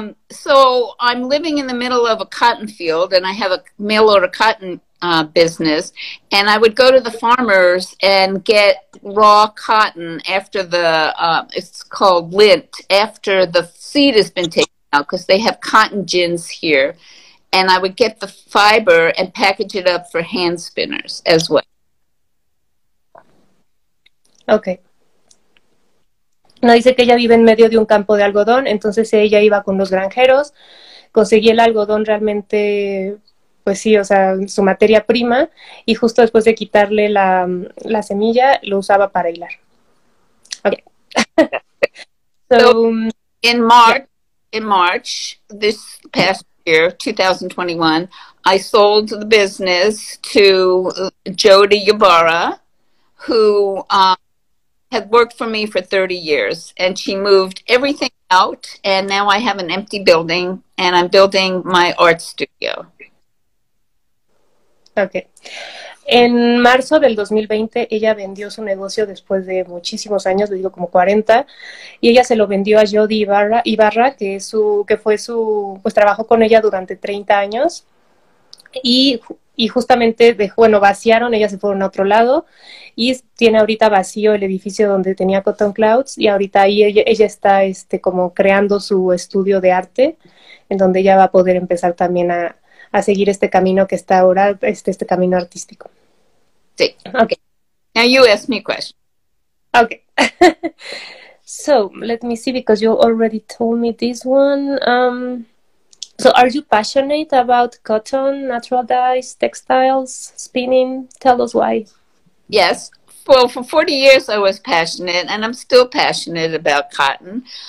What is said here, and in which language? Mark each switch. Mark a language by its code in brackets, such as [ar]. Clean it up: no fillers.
[en] So I'm living in the middle of a cotton field, and I have a mail order cotton business, and I would go to the farmers and get raw cotton after the, it's called lint, after the seed has been taken out, because they have cotton gins here, and I would get the fiber and package it up for hand spinners as well. Okay. [es] No, dice que ella vive en medio de un campo de algodón, entonces ella iba con los granjeros, conseguía el algodón realmente, pues sí, o sea, su materia prima, y justo después de quitarle la semilla, lo usaba para hilar. Okay. [en] So, in March, this past year, year, 2021, I sold the business to Jody Ybarra, who had worked for me for 30 years, and she moved everything out, and now I have an empty building, and I'm building my art studio. Okay. [es] En marzo del 2020, ella vendió su negocio después de muchísimos años, le digo como 40, y ella se lo vendió a Jody Ybarra, que fue su trabajó con ella durante 30 años, y justamente, vaciaron, ellas se fueron a otro lado, y tiene ahorita vacío el edificio donde tenía Cotton Clouds, y ahorita ahí ella está como creando su estudio de arte, en donde ella va a poder empezar también a seguir este camino que está ahora, este camino artístico. Sí. Okay. [en] Now you ask me a question. Okay. So, let me see, because you already told me this one. So, are you passionate about cotton, natural dyes, textiles, spinning? Tell us why. Yes. Well, for 40 years I was passionate, and I'm still passionate about cotton.